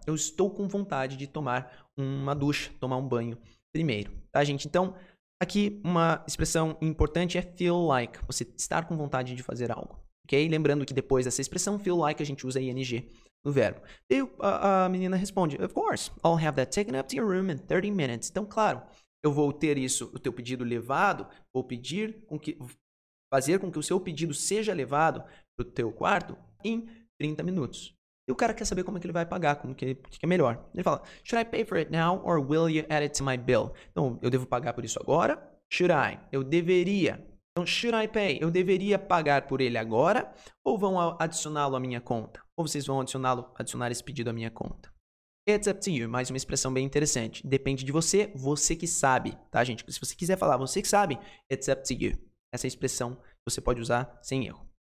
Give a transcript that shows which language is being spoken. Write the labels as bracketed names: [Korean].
[Portuguese] Eu estou com vontade de tomar uma ducha, tomar um banho primeiro. Tá, gente? Então, aqui uma expressão importante é feel like. Você estar com vontade de fazer algo. Ok? Lembrando que depois dessa expressão, feel like, a gente usa ing no verbo. E a menina responde, [English] of course, I'll have that taken up to your room in 30 minutes. [Portuguese] Então, claro, eu vou ter isso, o teu pedido levado, vou pedir com que... Fazer com que o seu pedido seja levado para o teu quarto em 30 minutos. E o cara quer saber como é que ele vai pagar, como que, o que é melhor. Ele fala, [English] should I pay for it now or will you add it to my bill? [Portuguese] Então, eu devo pagar por isso agora? [English] Should I? [Portuguese] Eu deveria. Então, [English] should I pay? [Portuguese] Eu deveria pagar por ele agora ou vão adicioná-lo à minha conta? Ou vocês vão adicionar esse pedido à minha conta? [English] It's up to you. [Portuguese] Mais uma expressão bem interessante. Depende de você, você que sabe. Tá, gente? Se você quiser falar, você que sabe, [English] it's up to you. [Portuguese] Essa expressão você pode usar sem erro.